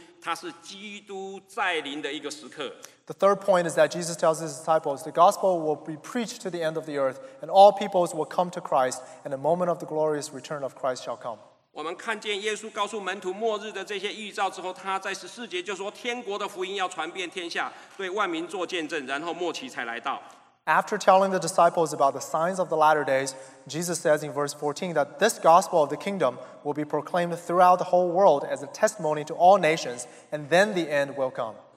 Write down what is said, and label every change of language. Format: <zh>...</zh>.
<zh>第三，我们看见耶稣告诉门徒，在末日福音要传遍天下，万族归向基督，它是基督再临的一个时刻。</zh> <en>The third point is that Jesus tells his disciples the gospel will be preached to the end of the earth, and all peoples will come to Christ, and the moment of the glorious return of Christ shall come.</en> <zh>我们看见耶稣告诉门徒末日的这些预兆之后，他在14节就说天国的福音要传遍天下，对万民作见证，然后末期才来到。</zh> <en>After telling the disciples about the signs of the latter days, Jesus says in verse 14 that this gospel of the kingdom will be proclaimed throughout the whole world as a testimony to all nations, and then the end will come.</en>